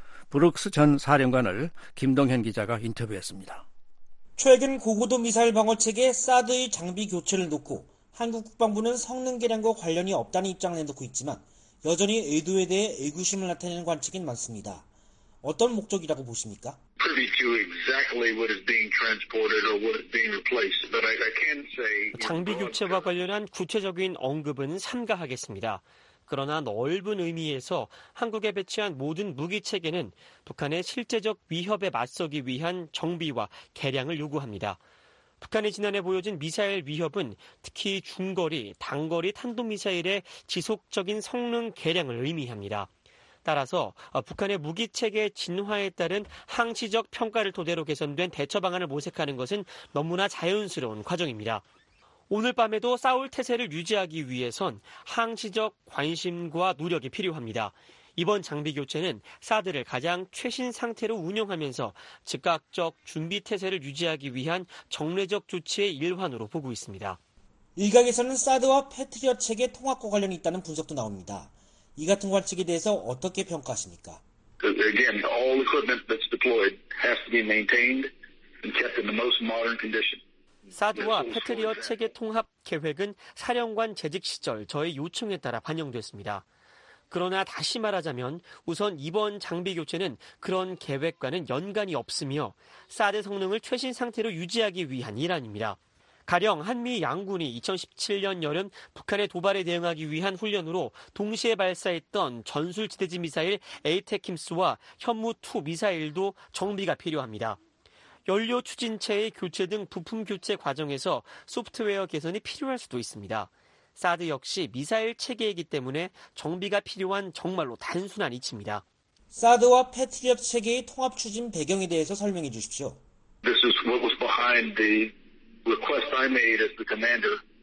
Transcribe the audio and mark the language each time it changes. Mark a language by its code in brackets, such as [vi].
[ko] 브룩스 전 사령관을 김동현 기자가 인터뷰했습니다. 최근 고고도 미사일 방어체계 사드의 장비 교체를 놓고 한국 국방부는 성능 개량과 관련이 없다는 입장을 내놓고 있지만 여전히 의도에 대해 의구심을 나타내는 관측이 많습니다. 어떤 목적이라고 보십니까? [en] Exactly what is being transported or what is being replaced. But I can say [ko] 장비 교체와 관련한 구체적인 언급은 삼가하겠습니다. 그러나 넓은 의미에서 한국에 배치한 모든 무기체계는 북한의 실제적 위협에 맞서기 위한 정비와 개량을 요구합니다. 북한이 지난해 보여준 미사일 위협은 특히 중거리, 단거리 탄도미사일의 지속적인 성능 개량을 의미합니다. 따라서 북한의 무기체계 진화에 따른 항시적 평가를 토대로 개선된 대처 방안을 모색하는 것은 너무나 자연스러운 과정입니다. 오늘 밤에도 싸울 태세를 유지하기 위해선 항시적 관심과 노력이 필요합니다. 이번 장비 교체는 사드를 가장 최신 상태로 운영하면서 즉각적 준비 태세를 유지하기 위한 정례적 조치의 일환으로 보고 있습니다. 일각에서는 사드와 패트리어트 체계 통합과 관련이 있다는 분석도 나옵니다. 이 같은 관측에 대해서 어떻게 평가하십니까? [en] Again, all equipment that's deployed has to be maintained and kept in the most modern condition. [ko] 사드와 패트리어 체계 통합 계획은 사령관 재직 시절 저의 요청에 따라 반영됐습니다. 그러나 다시 말하자면 우선 이번 장비 교체는 그런 계획과는 연관이 없으며 사드 성능을 최신 상태로 유지하기 위한 일환입니다. 가령 한미 양군이 2017년 여름 북한의 도발에 대응하기 위한 훈련으로 동시에 발사했던 전술지대지 미사일 에이테킴스와 현무2 미사일도 정비가 필요합니다. 연료 추진체의 교체 등 부품 교체 과정에서 소프트웨어 개선이 필요할 수도 있습니다. 사드 역시 미사일 체계이기 때문에 정비가 필요한 정말로 단순한 이치입니다. 사드와 패트리어트 체계의 통합 추진 배경에 대해서 설명해 주십시오. [en] This is what was behind the request I made as the commander.